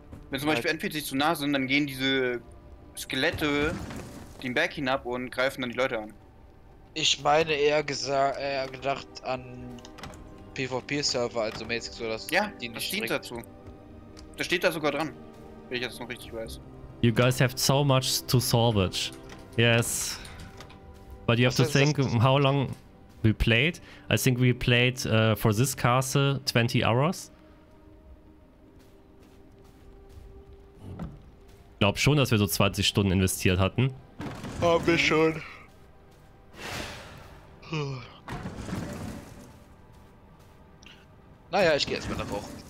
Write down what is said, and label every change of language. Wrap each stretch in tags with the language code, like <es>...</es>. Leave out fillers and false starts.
<de>Wenn zum Beispiel NPCs zu nah sind, dann gehen diese Skelette den Berg hinab und greifen dann die Leute an. Ich meine eher gedacht an PvP-Server, also mäßig so, dass ja, die nicht das steht dazu. Da steht da sogar dran, wenn ich jetzt noch richtig weiß.</de> <en>You guys have so much to salvage. Yes. But you have to think how long we played. I think we played for this castle 20 hours.</en> <de>Ich glaube schon, dass wir so 20 Stunden investiert hatten. Haben wir schon. Naja, ich gehe erstmal nach hoch.</de>